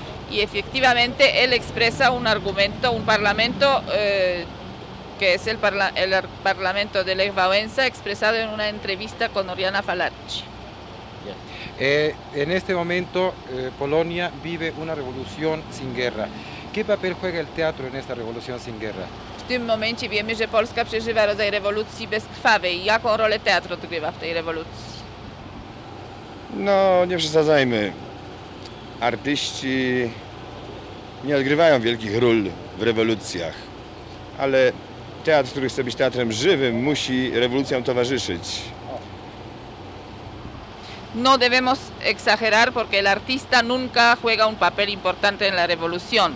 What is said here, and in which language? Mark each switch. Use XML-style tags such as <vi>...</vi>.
<es>Y efectivamente él expresa un argumento, un parlamento, que es el parlamento de Lech Wałęsa, expresado en una entrevista con Oriana Falaci. En este momento Polonia vive una revolución sin guerra. ¿Qué papel juega el teatro en esta revolución sin guerra?</es> <pl>W tym momencie wiemy, że Polska przeżywa rodzaj rewolucji bezkrwawej. Jaką rolę teatr odgrywa w tej rewolucji? No, nie przesadzajmy. Artyści nie odgrywają wielkich ról w rewolucjach. Ale teatr, który chce być teatrem żywym, musi rewolucjom towarzyszyć.</pl> <es>No debemos exagerar porque el artista nunca juega un papel importante en la revolución.</es>